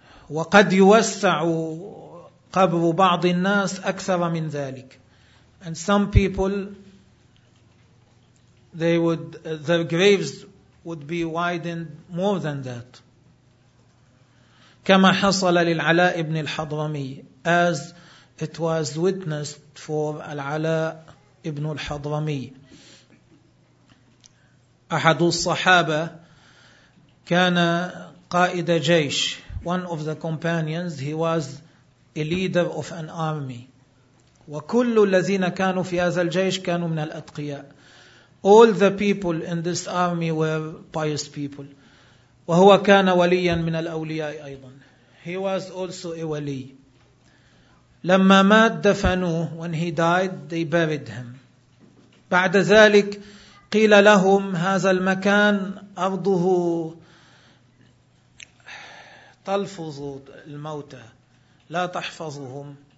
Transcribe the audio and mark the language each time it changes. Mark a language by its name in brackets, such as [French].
[Arabic] وَقَدْ يُوَسَّعُ قَبْرُ بَعْضِ النَّاسِ أَكْثَرَ مِنْ ذَلِكَ. [English] And some people, their graves would be widened more than that. [Arabic] كما حصل للعلاء بن الحضرمي, [English] as it was witnessed for [Arabic] العلاء بن الحضرمي. أحد الصحابة كان قائد جيش. [English] One of the companions, he was a leader of an army. [Arabic] وكل الذين كانوا في هذا الجيش كانوا من الأتقياء. [English] All the people in this army were pious people. [Arabic] وهو كان وليا من الأولياء أيضا. [English] He was also a wali. [Arabic] لما مات دفنوه. [English] When he died, they buried him. [Arabic] بعد ذلك قيل لهم هذا المكان أرضه تلفظ الموتى لا تحفظهم.